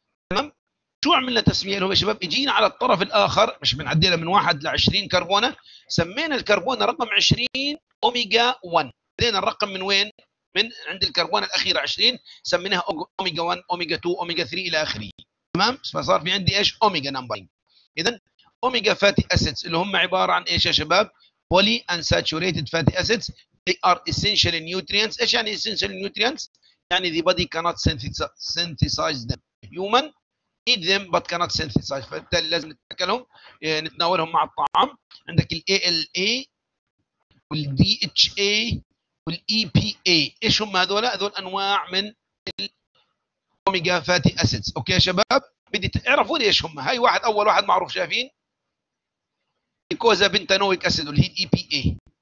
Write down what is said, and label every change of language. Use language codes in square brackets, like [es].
[ar] تمام، شو عملنا تسميه لهم يا شباب؟ اجينا على الطرف الاخر، مش بنعدلها من 1 ل 20 كربونه، سمينا الكربونه رقم 20 اوميجا 1. بعدين الرقم من وين؟ من عند الكربون الأخير 20 سميناها أوميجا 1 أوميجا 2 أوميجا 3 إلى آخره. تمام، فصار في عندي إيش؟ أوميجا نمبرين. إذن أوميجا فاتي أسيدز اللي هم عبارة عن إيش يا شباب؟ بولي أنساتوريتد فاتي أسيدز. [en] They are essential nutrients. [ar] إيش يعني [en] essential nutrients؟ يعني the body cannot synthesize them. Human eat them but cannot synthesize. [ar] فبالتالي لازم نتأكلهم، نتناولهم مع الطعام. عندك الـ ALA والـ DHA والـ EPA. ايش هم هذول؟ هذول انواع من الاوميجا فاتي اسيدز. اوكي يا شباب، بدي تعرفوا لي ايش هم. هاي واحد، اول واحد معروف شايفين ايكوزا بنتانويك اسيد اللي هي EPA.